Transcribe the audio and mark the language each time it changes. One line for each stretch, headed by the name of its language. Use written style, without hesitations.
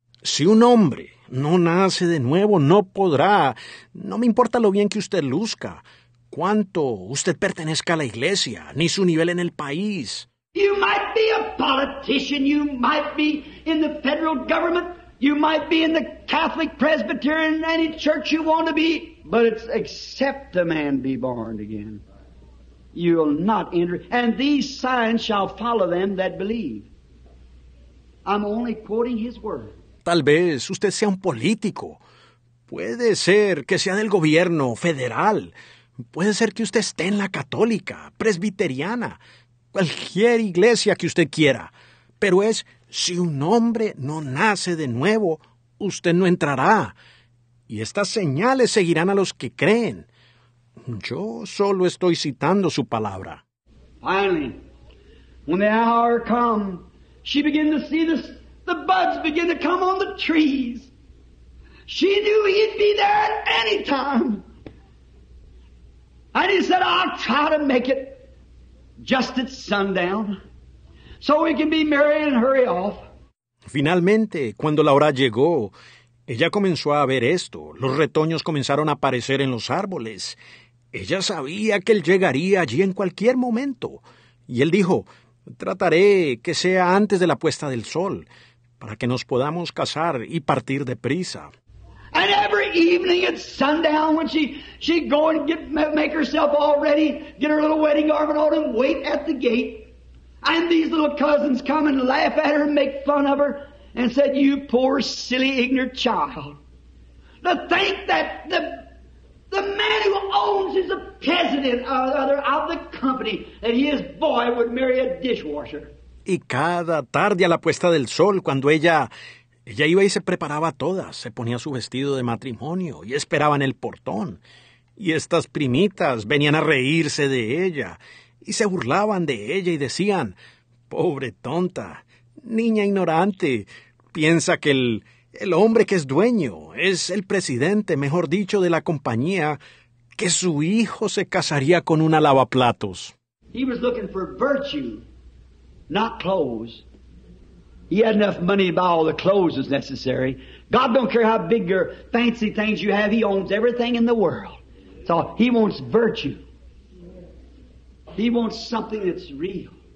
Spanish: Si un hombre no nace de nuevo, no podrá. No me importa lo bien que usted luzca, cuánto usted pertenezca a la iglesia, ni su nivel en el país.
English: You might be a politician, you might be in the federal government. You might be in the Catholic, Presbyterian, any church you want to be, but it's except the man be born again. You'll not enter. And these signs shall follow them that believe. I'm only quoting his word.
Spanish: Tal vez usted sea un político. Puede ser que sea del gobierno federal. Puede ser que usted esté en la católica, presbiteriana, cualquier iglesia que usted quiera. Pero es... Si un hombre no nace de nuevo, usted no entrará. Y estas señales seguirán a los que creen. Yo solo estoy citando su palabra.
English: Finally, when the hour come, she began to see the buds begin to come on the trees. She knew he'd be there at any time. And he said, I'll try to make it just at sundown. So we can be married and hurry off.
Spanish: Finalmente, cuando la hora llegó, ella comenzó a ver esto. Los retoños comenzaron a aparecer en los árboles. Ella sabía que él llegaría allí en cualquier momento. Y él dijo, trataré que sea antes de la puesta del sol, para que nos podamos casar y partir deprisa.
English: And every evening at sundown, when she'd go and make herself all ready, get her little wedding garment on and wait at the gate, and these little cousins come and laugh at her and make fun of her and said, you poor, silly, ignorant child. to think that the man who owns is the president of the company, that his boy would marry a dishwasher.
Spanish: Y cada tarde a la puesta del sol, cuando ella iba y se preparaba toda, se ponía su vestido de matrimonio y esperaba en el portón. Y estas primitas venían a reírse de ella y se burlaban de ella y decían, pobre tonta, niña ignorante, piensa que el hombre que es dueño es el presidente, mejor dicho, de la compañía, que su hijo se casaría con una lavaplatos.
English: He was looking for virtue, not clothes. He had enough money to buy all the clothes that's necessary. God don't care how big or fancy things you have, he owns everything in the world. So he wants virtue. He wants something that's real.